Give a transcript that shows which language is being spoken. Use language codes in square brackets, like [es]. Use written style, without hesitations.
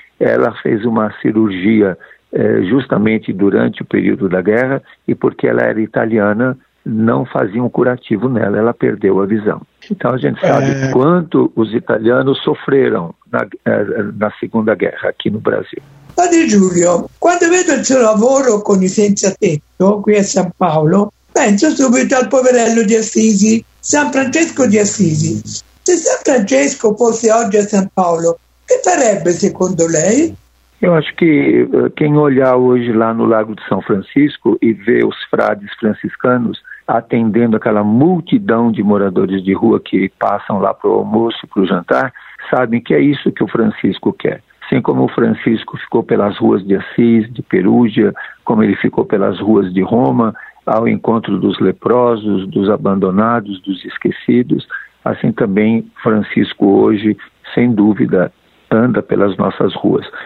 [pt] Ela fez uma cirurgia justamente durante o período da guerra e, porque ela era italiana, não fazia um curativo nela, ela perdeu a visão. Então a gente sabe quanto os italianos sofreram na Segunda Guerra aqui no Brasil. [it] Padre Giulio, quando vedo il suo lavoro con i senza tetto qui a San Paolo, penso subito al poverello di Assisi, San Francesco di Assisi. Se San Francesco fosse oggi a San Paolo, che farebbe secondo lei? [pt] Eu acho que quem olhar hoje lá no Lago de São Francisco e ver os frades franciscanos atendendo aquela multidão de moradores de rua que passam lá para o almoço, para o jantar, sabem que é isso que o Francisco quer. Assim como o Francisco ficou pelas ruas de Assis, de Perugia, como ele ficou pelas ruas de Roma, ao encontro dos leprosos, dos abandonados, dos esquecidos, assim também Francisco hoje, sem dúvida, anda pelas nossas ruas.